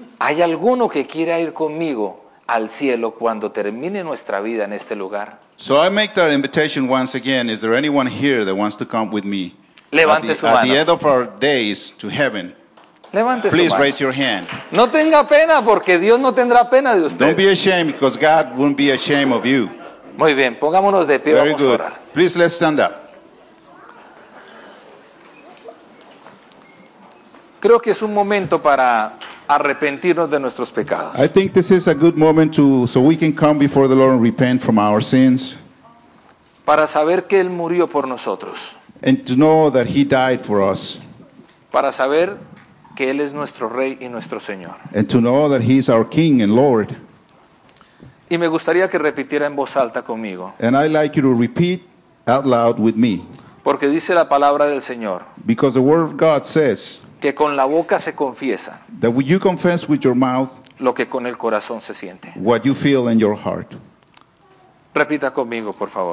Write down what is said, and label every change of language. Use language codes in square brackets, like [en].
[es] ¿Hay alguno que quiera ir conmigo al cielo cuando termine nuestra vida en este lugar? [en] So I make that invitation once again. Is there anyone here that wants to come with me? [es] Levante su mano. [en] At the end of our days to heaven. [es] Levante su [en] mano. Please raise your hand. [es] No tenga pena porque Dios no tendrá pena de usted. [en] Don't be ashamed because God won't be ashamed of you. [es] Muy bien, pongámonos de pie. [en] Very good. Please let's stand up. [es] Creo que es un momento para arrepentirnos de nuestros pecados. [en] I think this is a good moment to so we can come before the Lord and repent from our sins. [es] Para saber que él murió por nosotros. [en] And to know that he died for us. [es] Para saber que él es nuestro rey y nuestro señor. [en] And to know that he is our king and lord. [es] Y me gustaría que repitiera en voz alta conmigo. [en] And I like you to repeat out loud with me. [es] Porque dice la palabra del Señor. [en] Because the word of God says. [es] Que con la boca se confiesa. [en] That you confess with your mouth. [es] Lo que con el corazón se siente. [en] What you feel in your heart. [es] Repita conmigo, por favor.